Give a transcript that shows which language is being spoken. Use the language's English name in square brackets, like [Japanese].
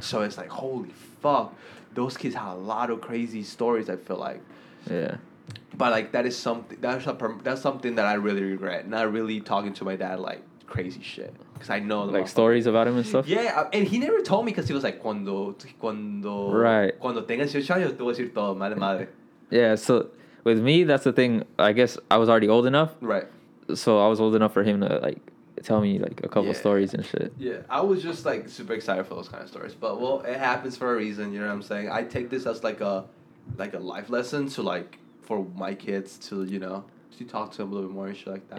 [English] So it's like, holy fuck. Those kids have a lot of crazy stories, I feel like. Yeah. But, like, that's something that I really regret. Not really talking to my dad, like, crazy shit. Because I know, like, stories about him and stuff. Yeah, and he never told me, because he was like, [Spanish] cuando [English] right, [Spanish] cuando tengas 18 años, te voy a decir todo, madre. [English] Yeah, so with me, that's the thing. I guess I was already old enough, right? So I was old enough for him to, like, tell me, like, a couple stories and shit. Yeah, I was just, like, super excited for those kind of stories. But, well, it happens for a reason, you know what I'm saying? I take this as, like, a life lesson to, like, for my kids to, you know, to talk to them a little bit more and shit like that.